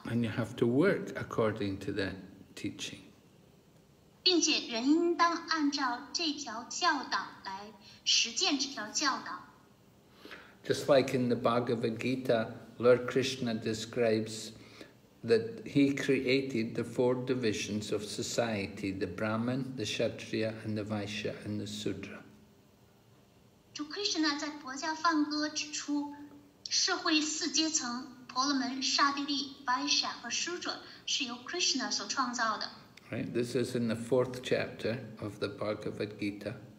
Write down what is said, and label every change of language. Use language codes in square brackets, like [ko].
[en] And you have to work according to that teaching. [zh] 并且人应当按照这条教导来实践这条教导。 [en] Just like in the Bhagavad Gita, Lord Krishna describes that he created the four divisions of society, the Brahman, the Kshatriya, and the Vaishya, and the Sudra. Right, this is in the fourth chapter of the Bhagavad Gita.